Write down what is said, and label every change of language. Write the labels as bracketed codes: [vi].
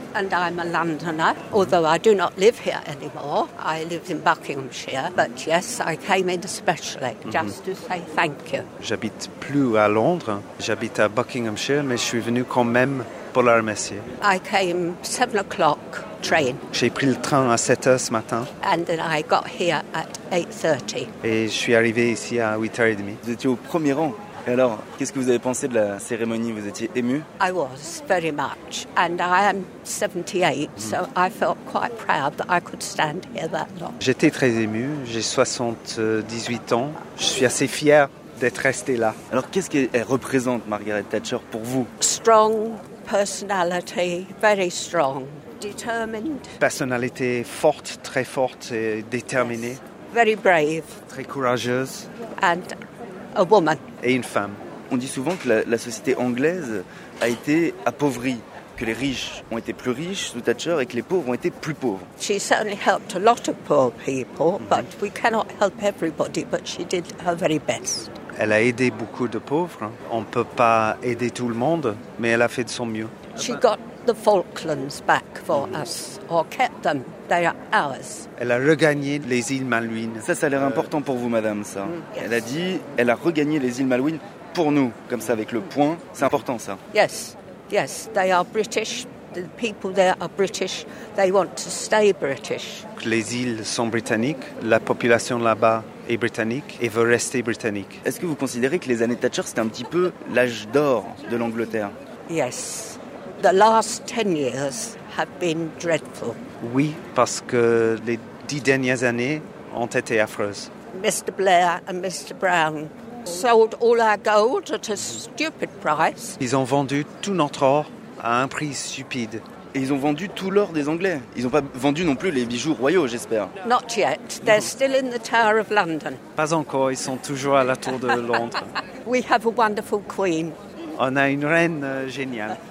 [en] And I'm a Londoner, although I do not live here anymore. I live in Buckinghamshire, but yes, I came in especially just to say thank you. [fr] J'habite plus à Londres. J'habite à Buckinghamshire, mais je suis venue quand même pour la remercier. [en] I came 7 o'clock. Train. [fr] J'ai pris le train à 7h ce matin. [en] And then I got here at 8:30. [fr] Et je suis arrivé ici à 8h30. Vous étiez au premier rang. Et alors, qu'est-ce que vous avez pensé de la cérémonie? Vous étiez ému? [en] I was very much, and I am 78, so I felt quite proud that I could stand here that long. [fr] J'étais très ému. J'ai 78 ans. Je suis assez fier d'être resté là. Alors, qu'est-ce qu'elle représente, Margaret Thatcher, pour vous? [en] Strong personality, very strong. Determined. [fr] Personnalité forte, très forte et déterminée. [en] Yes. Very brave. [fr] Très courageuse. [en] And a woman. [fr] Et une femme. On dit souvent que la société anglaise a été appauvrie, que les riches ont été plus riches sous Thatcher et que les pauvres ont été plus pauvres. [en] She certainly helped a lot of poor people, but we cannot help everybody, but she did her very best. [fr] Elle a aidé beaucoup de pauvres. On ne peut pas aider tout le monde, mais elle a fait de son mieux. [en] She got the Falklands back for us, or kept them. They are ours. [fr] Elle a regagné les îles Malouines. Ça, ça a l'air important pour vous, madame, ça. [en] Yes. [fr] Elle a dit, elle a regagné les îles Malouines pour nous, comme ça, avec le point. C'est important, ça. [en] Yes, yes, they are British. The people there are British. They want to stay British. [fr] Les îles sont britanniques. La population là-bas est britannique et veut rester britannique. Est-ce que vous considérez que les années Thatcher, c'était un petit peu l'âge d'or de l'Angleterre? [en] Yes. The last 10 years have been dreadful. [fr] Oui, parce que les 10 dernières années ont été affreuses. [en] Mr. Blair and Mr. Brown sold all our gold at a stupid price. [fr] Ils ont vendu tout notre or à un prix stupide. Et ils ont vendu tout l'or des Anglais. Ils n'ont pas vendu non plus les bijoux royaux, j'espère. [en] Not yet. They're still in the Tower of London. [fr] Pas encore, ils sont toujours à la Tour de Londres. [en] We have a wonderful queen. [fr] On a une reine géniale.